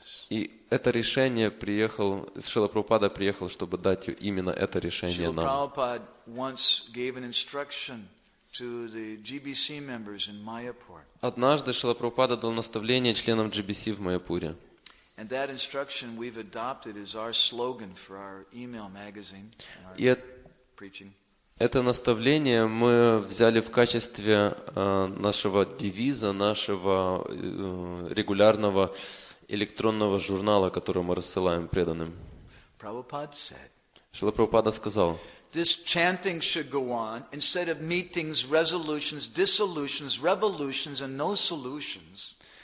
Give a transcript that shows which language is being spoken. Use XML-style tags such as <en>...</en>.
<ru>И это решение Шрила Прабхупада приехал, чтобы дать именно это решение нам.</ru> <en>Шрила Прабхупада once gave an instruction to the GBC members in Mayapur.</en> <ru>Однажды Шрила Прабхупада дал наставление членам GBC в Майяпуре.</ru> <en>And that instruction we've adopted is our slogan for our email magazine and our preaching.</en> <ru>Это наставление мы взяли в качестве нашего девиза, нашего регулярного электронного журнала, который мы рассылаем преданным. Шрила Прабхупада сказал,</ru> <en>This chanting should go on instead of meetings, resolutions, dissolutions, revolutions and no solutions.</en>